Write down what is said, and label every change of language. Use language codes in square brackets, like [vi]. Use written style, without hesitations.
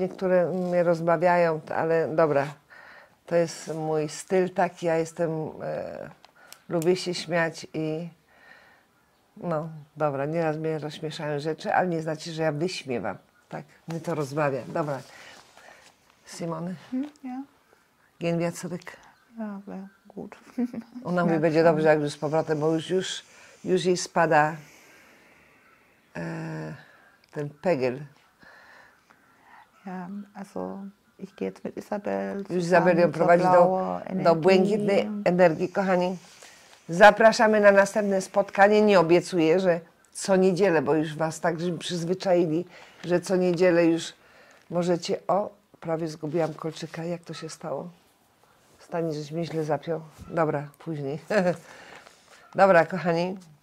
[pl] Niektóre mnie rozbawiają, ale dobra, to jest mój styl taki, ja jestem, lubię się śmiać i no dobra, nieraz mnie rozśmieszają rzeczy, ale nie znaczy, że ja wyśmiewam, tak, mnie to rozbawia. Dobra, Simony? [de] Ja. Gehen wir zurück? [pl] Dobra, [de] gut. [pl] Ona mówi, będzie dobrze, jak już z powrotem, bo już jej spada ten Pegel. [de] Ja, also ich gehe jetzt mit Isabel. [pl] Isabel ją prowadzi do błękitnej energii, kochani. Zapraszamy na następne spotkanie. Nie obiecuję, że co niedzielę, bo już was tak przyzwyczaili, że co niedzielę już możecie... O, prawie zgubiłam kolczyka. Jak to się stało? Stanie, żeś mi źle zapiął. Dobra, później. Dobra, kochani.